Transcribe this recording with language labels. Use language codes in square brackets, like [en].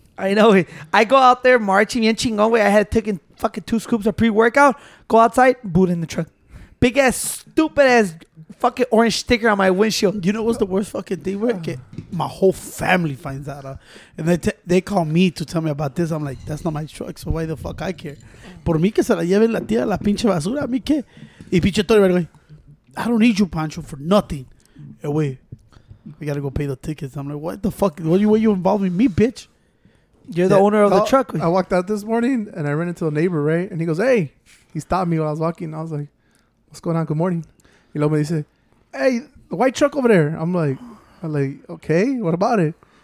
[en] I know. I go out there marching. [es] Bien chingón, way. [en] I had taken fucking 2 scoops of pre-workout. Go outside, boot in the truck. Big ass, stupid ass fucking orange sticker on my windshield. You know what's the worst fucking thing? My whole family finds out. And they call me to tell me about this. I'm like, that's not my truck, so why the fuck I care? [es] Por mí que se la lleven la tía la pinche basura, a mí que. Y pinche todo, [en] right away. I don't need you, Pancho, for nothing. And wait, we got to go pay the tickets. I'm like, what the fuck? What are you involving me, bitch? You're the owner of the truck. I walked out this morning, and I ran into a neighbor, right? And he goes, hey. He stopped me while I was walking. I was like, what's going on? Good morning. [es] Y luego me dice, [en] hey, the white truck over there. I'm like, okay, what about it?